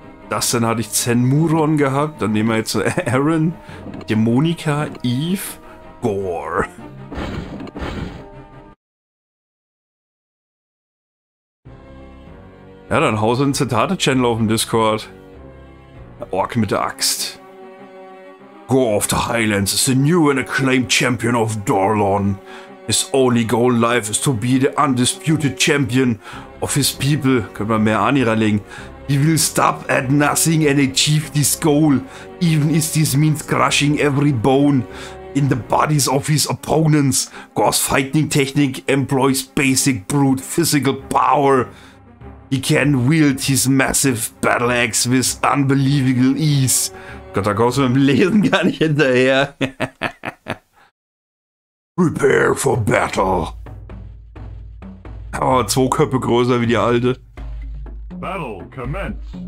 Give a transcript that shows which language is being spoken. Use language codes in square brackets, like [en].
[de] Das dann hatte ich Zenmuron gehabt. Dann nehmen wir jetzt Aaron, Demonica, Eve, Gore. Ja, dann hau so einen Zitate-Channel auf dem Discord. Ork mit der Axt. [en] Gore of the Highlands is the new and acclaimed champion of Dorlon. His only goal in life is to be the undisputed champion of his people. [de] Können wir mehr Ani reinlegen. [en] He will stop at nothing and achieve this goal, even if this means crushing every bone in the bodies of his opponents. Gore's fighting technique employs basic brute physical power. He can wield his massive battle axe with unbelievable ease. [de] Gott, da kommst du mit dem Lesen gar nicht hinterher. [en] Prepare for battle. [de] Aber oh, zwei Köpfe größer wie die alte. [en] Battle commence.